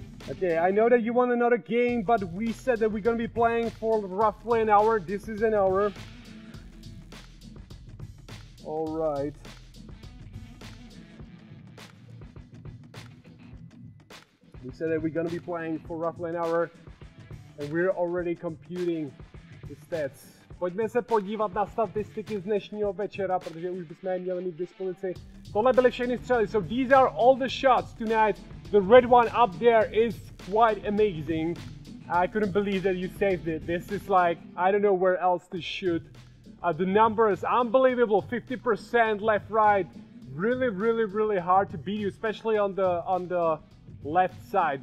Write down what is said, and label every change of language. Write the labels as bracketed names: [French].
[English] Okay, I know that you want another game, but we said that we're gonna be playing for roughly an hour. This is an hour. All right. We said that we're gonna be playing for roughly an hour, and we're already computing the stats. [Czech] Pojďme se podívat na statistiky z dnešního večera, protože už bychom je měli mít v dispozici. Tohle byly všechny střely. [English] So these are all the shots tonight. The red one up there is quite amazing. I couldn't believe that you saved it. This is like, I don't know where else to shoot. The number is unbelievable. 50% left, right. Really, really, really hard to beat you, especially on the left side.